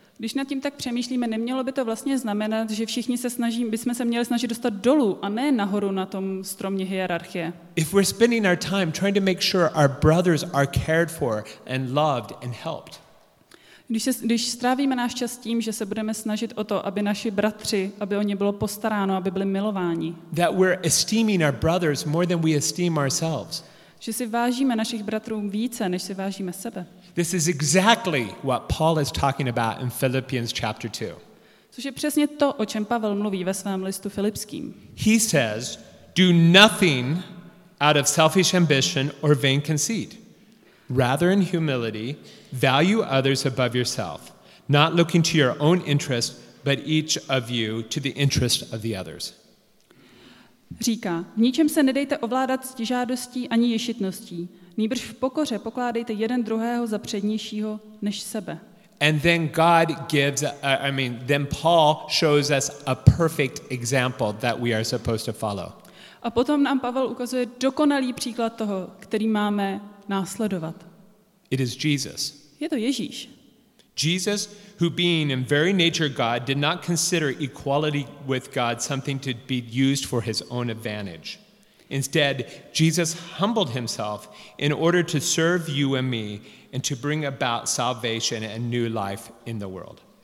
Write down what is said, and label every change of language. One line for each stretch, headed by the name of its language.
Czech: Když nad tím tak přemýšlíme, nemělo by to vlastně znamenat, že všichni se snažíme, bychom se měli snažit dostat dolů a ne nahoru na tom stromě hierarchie.
English: If we're spending our time trying to make sure our brothers are cared for and loved and helped.
Czech: Když strávíme náš čas tím, že se budeme snažit o to, aby naši bratři, aby o ně bylo postaráno, aby byli milováni.
English: That we're esteeming our brothers more than we esteem ourselves.
Czech: Že si vážíme našich bratrů více, než si vážíme sebe.
English: This is exactly what Paul is talking about in Philippians chapter 2.
Czech: Což je přesně to, o čem Pavel mluví ve svém listu Filipským.
English: He says, do nothing out of selfish ambition or vain conceit. Rather in humility, value others above yourself, not looking to your own interest, but each of you to the interest of the others.
Czech: Říká, v ničem se nedejte ovládat ctižádostí ani ješitností. Nýbrž v pokoře pokládejte jeden druhého za přednějšího než sebe.
English: And then God gives, then Paul shows us a perfect example that we are supposed to follow.
Czech: A potom nám Pavel ukazuje dokonalý příklad toho, který máme následovat.
English: It is Jesus.
Czech: Je to Ježíš.
English: Jesus, who being in very nature God, did not consider equality with God something to be used for his own advantage. Instead, Jesus humbled himself in order to serve you and me and to bring about salvation and new life in the world.